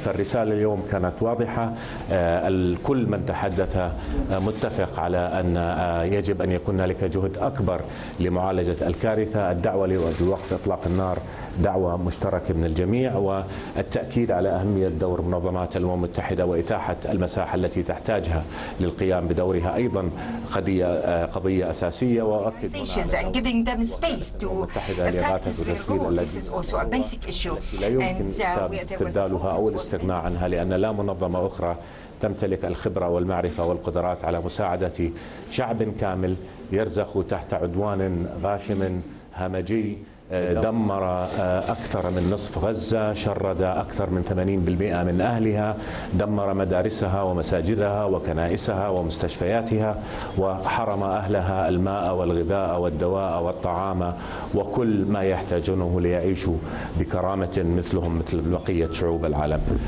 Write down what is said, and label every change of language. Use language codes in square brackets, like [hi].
[ar] فالرسالة اليوم كانت واضحة، الكل من تحدث متفق على أن يجب أن يكون لك جهد أكبر لمعالجة الكارثة. الدعوة لوقف إطلاق النار دعوة مشتركة من الجميع، والتأكيد على أهمية دور منظمات الأمم المتحدة وإتاحة المساحة التي تحتاجها للقيام بدورها أيضا قضية أساسية. وأكد [en] and giving them space to practice their role. This is also a basic issue. And there was a full response. [ar] تمتلك الخبرة والمعرفة والقدرات على مساعدة شعب كامل يرزخ تحت عدوان غاشم همجي دمر أكثر من نصف غزة، شرد أكثر من 80% من أهلها، دمر مدارسها ومساجدها وكنائسها ومستشفياتها، وحرم أهلها الماء والغذاء والدواء والطعام وكل ما يحتاجونه ليعيشوا بكرامة مثلهم مثل بقية شعوب العالم.